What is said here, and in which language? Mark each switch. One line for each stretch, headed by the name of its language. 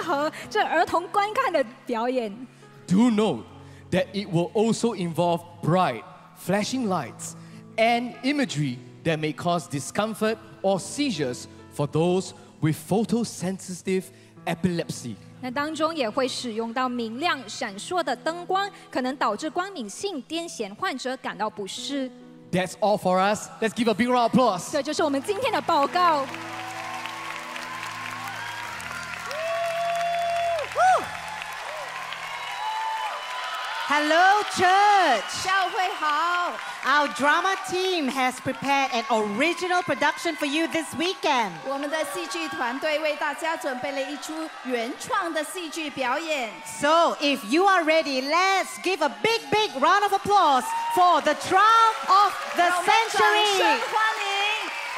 Chinese: 我们今天的戏剧制作可能有些不适合这儿童观看的表演.
English: Do note that it will also involve bright, flashing lights and imagery that may cause discomfort or seizures for those with photosensitive epilepsy.
Chinese: 那当中也会使用到明亮闪烁的灯光，可能导致光敏性癫痫患者感到不适。
English: That's all for us. Let's give a big round of applause.
Chinese: 这就是我们今天的报告。
English: Hello, church.
Chinese: 教会好.
English: Our drama team has prepared an original production for you this weekend.
Chinese: 我们的戏剧团队为大家准备了一出原创的戏剧表演.
English: So, if you are ready, let's give a big, big round of applause for the triumph of the century.
Chinese: 让我们掌声欢迎.